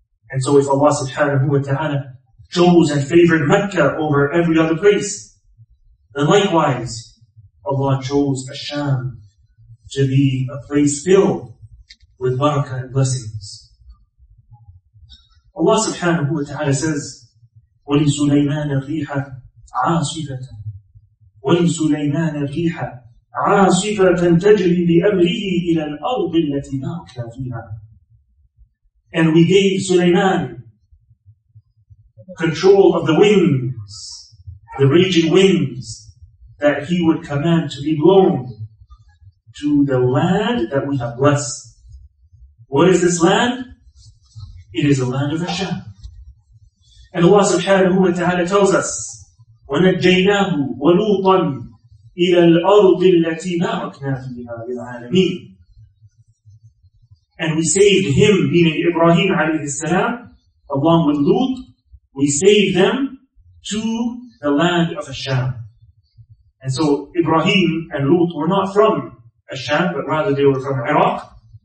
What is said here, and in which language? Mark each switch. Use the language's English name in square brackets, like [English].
[English] And so if Allah subhanahu wa ta'ala chose and favored Mecca over every other place, then likewise, Allah chose Asham to be a place filled with barakah and blessings. Allah subhanahu wa ta'ala says, [Arabic] وَلِسُلَيْمَانَ الْرِيحَ عَاصِفَةً وَلِسُلَيْمَانَ الْرِيحَ عَاصِفَةً تَجْرِي بِأَمْرِهِ إِلَى الْأَرْضِ الَّتِي بَارَكْنَا فِيهَا. [English] And we gave Sulaiman control of the winds, the raging winds, that he would command to be blown to the land that we have blessed. What is this land? It is the land of Hashem. And Allah subhanahu wa ta'ala tells us, [Arabic] وَنَجَّيْنَاهُ وَلُوطًا إِلَى الْأَرْضِ الَّتِي بَارَكْنَا فِيهَا لِلْعَالَمِينَ. [English] And we saved him, meaning Ibrahim alayhi salam, along with Lut, we saved them to the land of Hashem. And so Ibrahim and Lut were not from Hashem, but rather they were from Iraq.